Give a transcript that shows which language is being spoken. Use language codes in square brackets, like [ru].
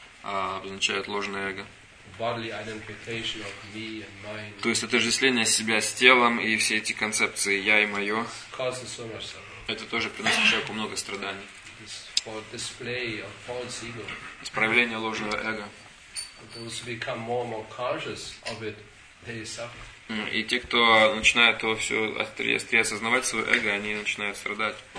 [ru] Обозначает ложное эго. [en] Bodily identification of me and mine. [ru] То есть отождествление себя с телом и все эти концепции я и мое. [en] Causes so much suffering. [ru] Это тоже приносит человеку много страданий. [en] It's for display of false ego. [ru] Проявление ложного эго. [en] Those become more and more conscious of it, [ru] И те, кто начинает это все острее осознавать свое эго, они начинают страдать.